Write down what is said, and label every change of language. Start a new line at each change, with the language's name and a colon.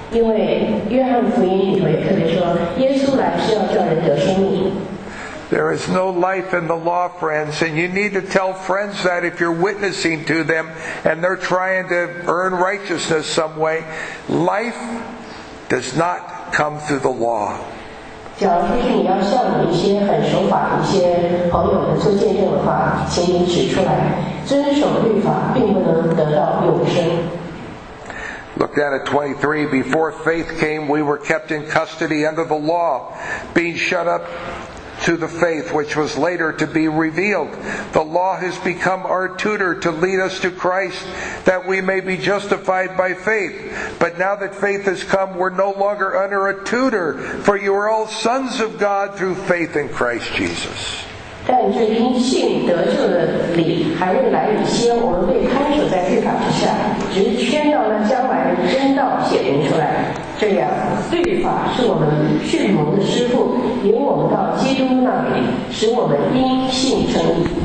English: There is no life in the law, friends, and you need to tell friends that if you're witnessing to them and they're trying to earn righteousness some way. Life does not come through the law.
Chinese: 假如说是你要向你一些很守法的一些朋友们做见证的话，请你指出来，遵守律法并不能得到永生。
English: Look down at 23. Before faith came, we were kept in custody under the law, being shut up. To the faith which was later to be revealed. The law has become our tutor to lead us to Christ that we may be justified by faith. But now that faith has come, we're no longer under a tutor, for you are all sons of God through faith in Christ Jesus.
Chinese: 但这因信得救的理还未来以前，我们被看守在律法之下，直宣到那将来的真道显明出来。这样，律法是我们训蒙的师父，引我们到基督那里，使我们因信称义。